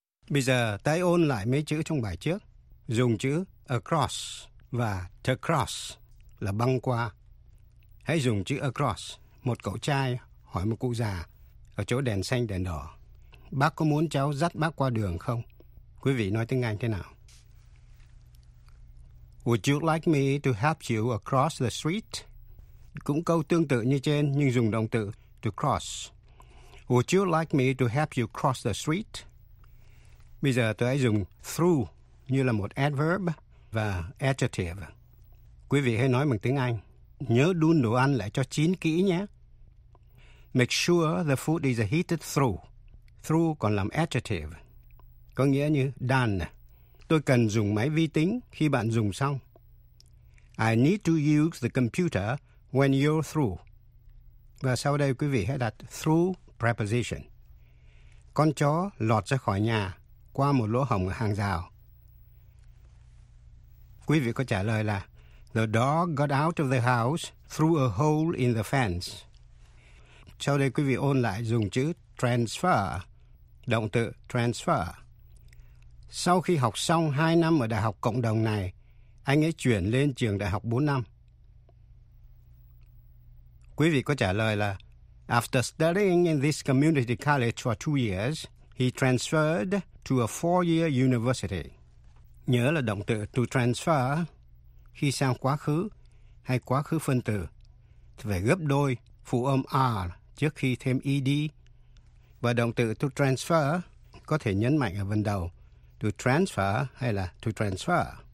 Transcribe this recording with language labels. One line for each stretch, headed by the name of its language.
Vietnamese: Bây giờ ta ôn lại mấy chữ trong bài trước. Dùng chữ across và to cross là băng qua. Hãy dùng chữ across. Một cậu trai hỏi một cụ già ở chỗ đèn xanh đèn đỏ: bác có muốn cháu dắt bác qua đường không? Quý vị nói tiếng Anh thế nào?
English: Would you like me to help you across the street?
Vietnamese: Cũng câu tương tự như trên nhưng dùng động từ to cross.
English: Would you like me to help you cross the street?
Vietnamese: Bây giờ tôi hãy dùng through như là một adverb và adjective. Quý vị hãy nói bằng tiếng Anh. Nhớ đun đồ ăn lại cho chín kỹ nhé.
English: Make sure the food is heated through.
Vietnamese: Through còn làm adjective, có nghĩa như done. Tôi cần dùng máy vi tính khi bạn dùng xong.
English: I need to use the computer when you're through.
Vietnamese: Và sau đây quý vị hãy đặt through preposition. Con chó lọt ra khỏi nhà qua một lỗ hổng ở hàng rào. Quý vị có trả lời là
English: the dog got out of the house through a hole in the fence.
Vietnamese: Sau đây quý vị ôn lại dùng chữ transfer, động từ transfer. Sau khi học xong 2 năm ở đại học cộng đồng này, anh ấy chuyển lên trường đại học 4 năm. Quý vị có trả lời là
English: after studying in this community college for 2 years, he transferred to a 4-year university.
Vietnamese: Nhớ là động từ to transfer khi sang quá khứ hay quá khứ phân từ thì phải gấp đôi phụ âm r trước khi thêm ed. Và động từ to transfer có thể nhấn mạnh ở phần đầu to transfer hay là to transfer.